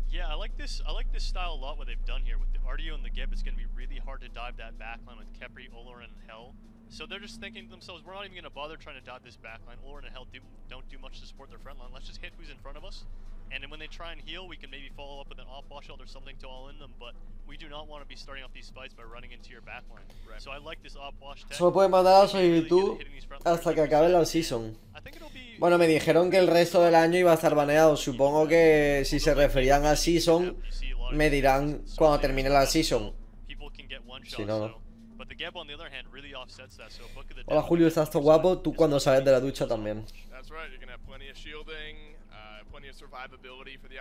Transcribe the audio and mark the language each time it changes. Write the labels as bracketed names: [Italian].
[English] Yeah, I like this style a lot, what they've done here. With the RDO and the Gib, it's going to be really hard to dive that backline with Kepri, Ulrun, and Hell. So they're just thinking to themselves, we're not even going to bother trying to dive this backline. Ulrin and Hell don't do much to support their frontline. Let's just hit who's in front of us. And then when they try and heal, we can maybe follow up with an off-wash ult or something to all in them. But we do not want to be starting off these fights by running into your backline. Right. So I like this off-wash tech. [Spanish] Solo puede mandar a su YouTube hasta que acabe la season. Bueno, me dijeron que el resto del año iba a estar baneado. Supongo que si se referían a season, me dirán cuando termine la season. Si no, no. [English] But the Geb, on the other hand, really offsets that, so Book of the Dead... [Spanish] Hola, Julio, estás todo guapo, tú cuando sales de la ducha también. [English] That's right, you're gonna have plenty of shielding, plenty of survivability for the